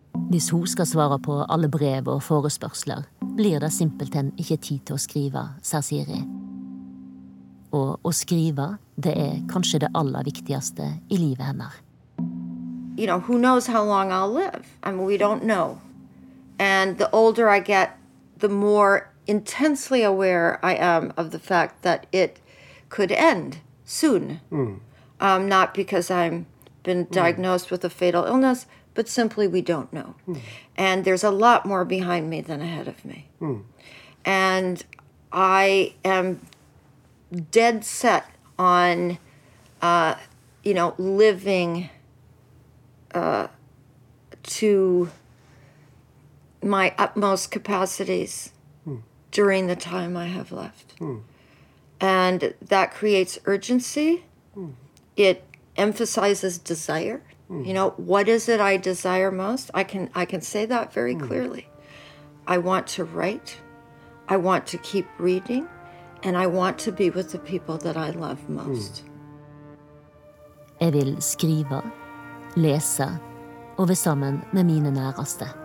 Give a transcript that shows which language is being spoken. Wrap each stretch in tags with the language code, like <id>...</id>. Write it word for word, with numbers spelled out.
<no>Hvis hun skal svare på alle brev og forespørsler, blir det simpelthen ikke tid til å skrive, sa Siri. Og å skrive, det er kanskje det aller viktigste i livet hennes.</no> <en>You know, who knows how long I'll live? I mean, we don't know. And the older I get, the more intensely aware I am of the fact that it could end soon. Mm. Um, not because I've been diagnosed mm. with a fatal illness, but simply we don't know. Mm. And there's a lot more behind me than ahead of me. Mm. And I am dead set on, uh, you know, living... Uh, to my utmost capacities mm. during the time I have left. Mm. And that creates urgency. Mm. It emphasizes desire. Mm. You know, what is it I desire most? I can I can say that very mm. clearly. I want to write. I want to keep reading. And I want to be with the people that I love most.</en> <no>Jeg vil skrive. Lese, og være sammen med mine næreste.</no>